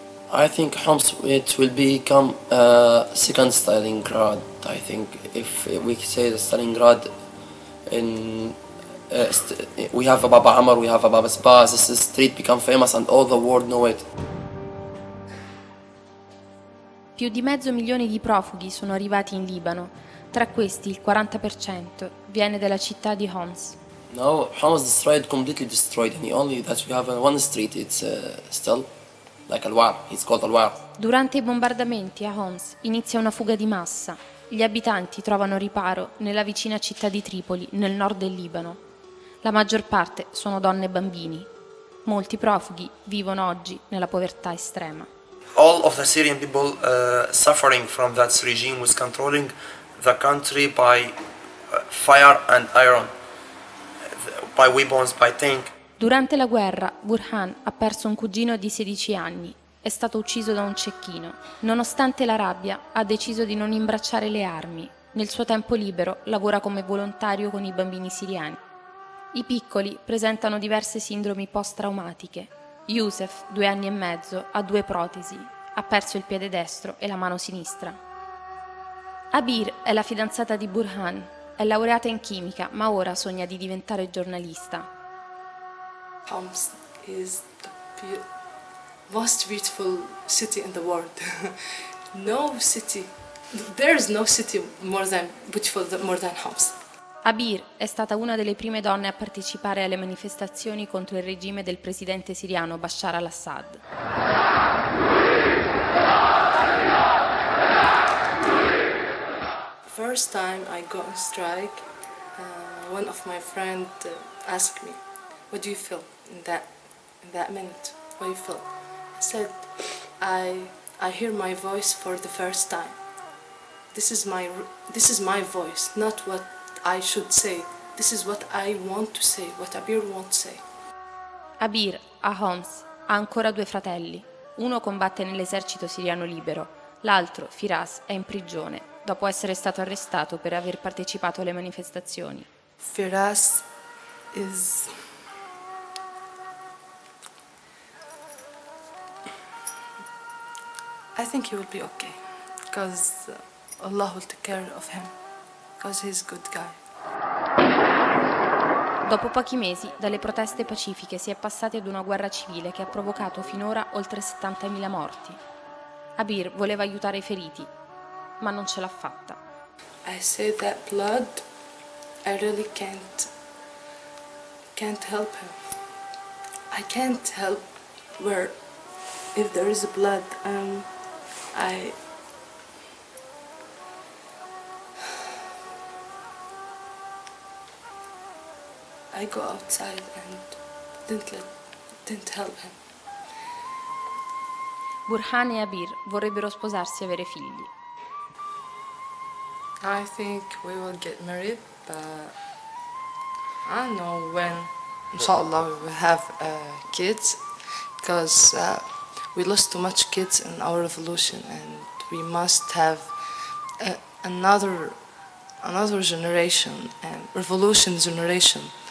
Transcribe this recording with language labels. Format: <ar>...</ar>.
<en>I think Homs it will become a second Stalingrad. I think if we say the Stalingrad in we have a Baba Amr, we have a Baba Spas, this street become famous and all the world know it.</en> <it>Più di 500.000 di profughi sono arrivati in Libano. Tra questi il 40% viene dalla città di Homs.</it> <en>No, Homs destroyed, completely destroyed, and only that we have one street, it's still like Alwar, it's called Alwar.</en> <it>Durante i bombardamenti a Homs inizia una fuga di massa. Gli abitanti trovano riparo nella vicina città di Tripoli, nel nord del Libano. La maggior parte sono donne e bambini. Molti profughi vivono oggi nella povertà estrema.</it> <en>All of the Syrian people suffering from that regime was controlling the country by fire and iron, by weapons, by tank.</en> <it>Durante la guerra, Burhan ha perso un cugino di 16 anni. È stato ucciso da un cecchino. Nonostante la rabbia, ha deciso di non imbracciare le armi. Nel suo tempo libero, lavora come volontario con i bambini siriani. I piccoli presentano diverse sindromi post-traumatiche. Youssef, 2 anni e mezzo, ha 2 protesi. Ha perso il piede destro e la mano sinistra. Abir è la fidanzata di Burhan. È laureata in chimica, ma ora sogna di diventare giornalista.</it> <en>Homs is the most beautiful city in the world. No city, there is no city more than beautiful more than Homs.</en> <it>Abir è stata una delle prime donne a partecipare alle manifestazioni contro il regime del presidente siriano Bashar al-Assad.</it> <en>First time I got a strike, one of my friend asked me, what do you feel in that minute? What do you feel? I said, I hear my voice for the first time. This is my voice, not what I should say. This is what I want to say, what Abir won't say.</en> <it>Abir, a Homs, ha ancora 2 fratelli. Uno combatte nell'esercito siriano libero, l'altro, Firas, è in prigione, dopo essere stato arrestato per aver partecipato alle manifestazioni.</it> <en>Firas is... I think he will be okay, because Allah will take care of him, because he's a good guy.</en> <it>Dopo pochi mesi, dalle proteste pacifiche si è passati ad una guerra civile che ha provocato finora oltre 70.000 morti. Abir voleva aiutare i feriti, ma non ce l'ha fatta.</it> <en>I say that blood, I really can't help him. I can't help where, if there is blood, I go outside and didn't help him.</en> <it>Burhan e Abir vorrebbero sposarsi e avere figli.</it> <en>I think we will get married, but I don't know when. Inshallah, we will have kids, because we lost too much kids in our revolution, and we must have another generation, and revolution generation.</en>